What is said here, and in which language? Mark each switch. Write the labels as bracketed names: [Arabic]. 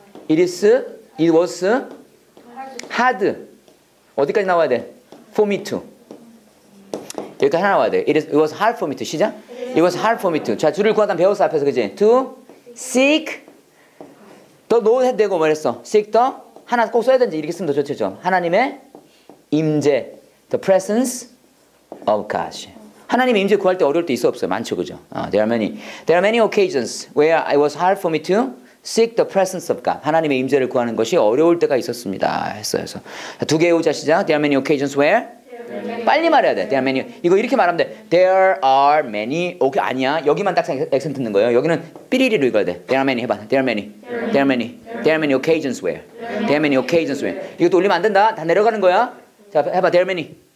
[English] It was hard. [Korean] 어디까지 나와야 돼? [English] For me too. [Korean] 여기까지 하나 와야 돼. [English] It was hard for me to. [Korean] 시작. [English] It was hard for me to. [Korean] 자, 주를 구하다 배웠어 앞에서 그지. [English] To seek the Lord [Korean] 해도 되고 뭐랬어. Seek the 하나 꼭 써야 되는지 이렇게 쓰면 더 좋죠. 하나님의 임재. [English] The presence of God. [Korean] 하나님의 임재 구할 때 어려울 때 있어 없어요. 많죠 그죠. [English] There are many occasions where it was hard for me to seek the presence of God. [Korean] 하나님의 임재를 구하는 것이 어려울 때가 있었습니다. 했어요. 두 개의 오자 시작. [English] There are many occasions where? Many. [Korean] 빨리 말해야 돼. [English] There are many. [Korean] 이거 이렇게 말하면 돼. There are many. Okay. 아니야. 여기만 딱 액센트 넣는 거예요. 여기는 삐리리로 읽어야 돼. [English] There are many. [Korean] 해봐. [English] There are many. There are many. There are many occasions where? There are many occasions where? [Korean] 이것도 올리면 안 된다. 다 내려가는 거야. 자, 해봐. [English] There are many.